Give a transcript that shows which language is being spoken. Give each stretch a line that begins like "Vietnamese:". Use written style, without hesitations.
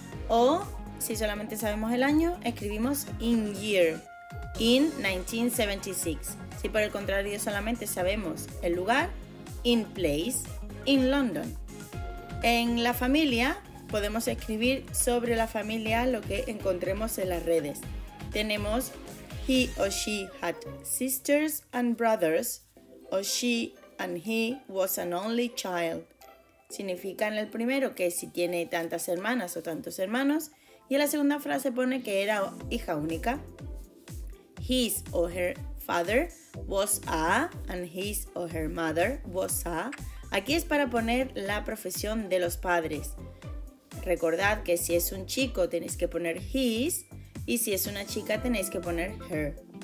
Spanish: O, si solamente sabemos el año, escribimos
English: in year, in 1976.
Spanish: Si por el contrario solamente sabemos el lugar,
English: in place, in London.
Spanish: En la familia, podemos escribir sobre la familia lo que encontremos en las redes. Tenemos
English: he or she had sisters and brothers, or she and he was an only child.
Spanish: Significa en el primero que si tiene tantas hermanas o tantos hermanos, y en la segunda frase pone que era hija única.
English: His or her father was a, and his or her mother was a.
Spanish: Aquí es para poner la profesión de los padres. Recordad que si es un chico tenéis que poner his, y si es una chica tenéis que poner her.